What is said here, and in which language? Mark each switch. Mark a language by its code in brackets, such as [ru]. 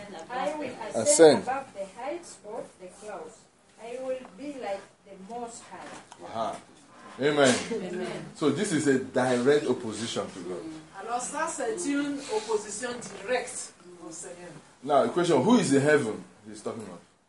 [en] I will ascend above the heights of the clouds. I will be like the most high. Aha. Amen. Amen. So this is a direct opposition to God. [fr] Alors ça c'est une opposition directe au Seigneur. [en] Now the question, who is in heaven he's talking about?